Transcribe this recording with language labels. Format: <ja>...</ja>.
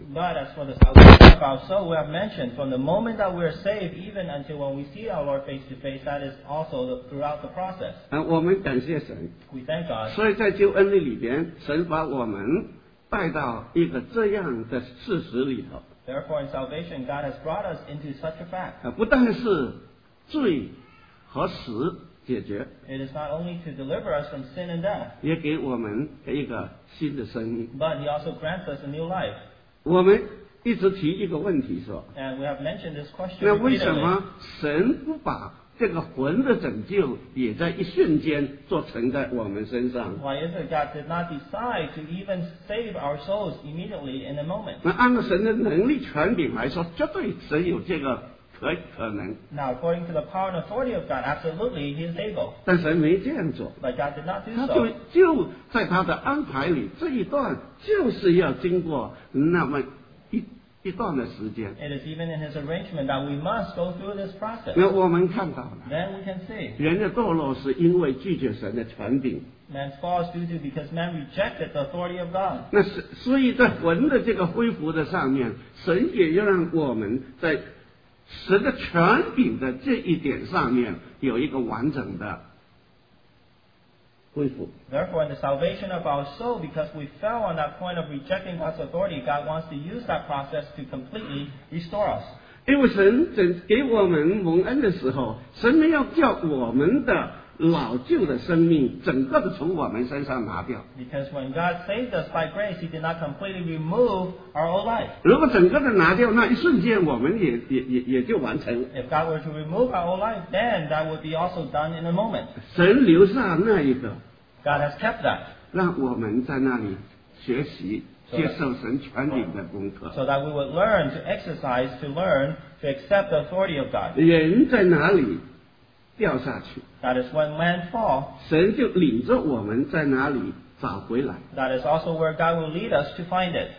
<en>But as for the salvation of our soul, we have mentioned from the moment that we are saved, even until when we see our Lord face to face, that is also throughout the process.</en> <zh>我们感谢神。</zh> <en>We thank God.</en> <zh>所以在救恩的里边，神把我们带到一个这样的事实里头。</zh> <en>Therefore, in salvation, God has brought us into such a fact.</en> <zh>不但是罪和死解决。</zh> <en>It is not only to deliver us from sin and death.</en> <zh>也给我们一个新的生命。</zh> <en>But He also grants us a new life.</en> <zh>我们一直提一个问题说。</zh> <en>And we have mentioned this question.</en> <zh>那为什么神不把这个魂的拯救也在一瞬间做成在我们身上？</zh> <en>Why is it God did not decide to even save our souls immediately in a moment?</en> <zh>那按照神的能力权柄来说，绝对神有这个可能。</zh> <en>Now according to the power and authority of God, absolutely He is able.</en> <zh>但神没这样做。</zh> <en>But God did not do so.</en> <zh>他就在他的安排里，这一段就是要经过那么一段的时间。</zh> <en>It is even in His arrangement that we must go through this process.</en> <zh>那我们看到了。</zh> <en>Then we can see.</en> <zh>人的堕落是因为拒绝神的权柄。</zh> <en>Man's fall is due to because man rejected the authority of God.</en> <zh>那所以在魂的这个恢复的上面，神也要让我们在神的权柄的这一点上面有一个完整的恢复。</zh> <en>Therefore, in the salvation of our soul, because we fell on that point of rejecting God's authority, God wants to use that process to completely restore us.</en> <zh>因为神给我们蒙恩的时候，神没有叫我们的老旧的生命整个的从我们身上拿掉。</zh> <en>Because when God saved us by grace, He did not completely remove our old life.</en> <zh>如果整个的拿掉，那一瞬间我们也就完成了。</zh> <en>If God were to remove our old life, then that would be also done in a moment.</en> <zh>神留下那一个。</zh> <en>God has kept that.</en> <zh>让我们在那里学习接受神权柄的功课。</zh> <en>So that we would learn to exercise, to learn to accept the authority of God.</en> <zh>人在哪里掉下去，</zh> <en>that is when man fall,</en> <zh>神就领着我们在哪里找回来。</zh> <en>That is also where God will lead us to find it.</en>